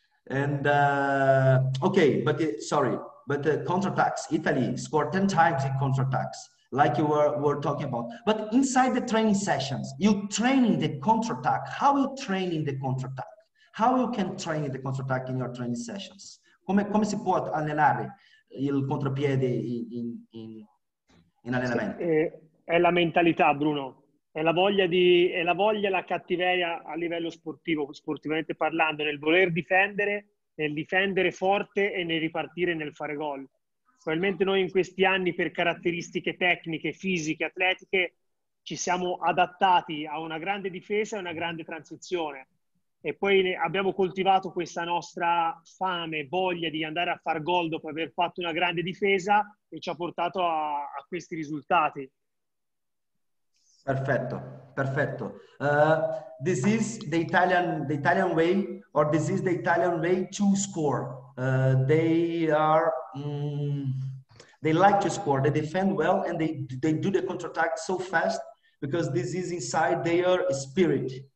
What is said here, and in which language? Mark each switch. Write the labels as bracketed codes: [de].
[en] And counterattacks. Italy scored 10 times in counterattacks, like you were talking about. But inside the training sessions, you train in the counterattack. How you train in the counterattack? How you can train in the counterattack in your training sessions? [it] Come si può allenare il contropiede in allenamento? È la mentalità, Bruno. È la voglia, la cattiveria a livello sportivo, sportivamente parlando, nel voler difendere, nel difendere forte e nel ripartire, nel fare gol. Probabilmente noi in questi anni, per caratteristiche tecniche, fisiche, atletiche, ci siamo adattati a una grande difesa e una grande transizione. e poi abbiamo coltivato questa nostra fame, voglia di andare a far gol dopo aver fatto una grande difesa e ci ha portato a, a questi risultati. Perfetto, perfetto. [en] This is the Italian way, or this is the Italian way to score. They are, they like to score. They defend well and they do the counterattack so fast because this is inside their spirit.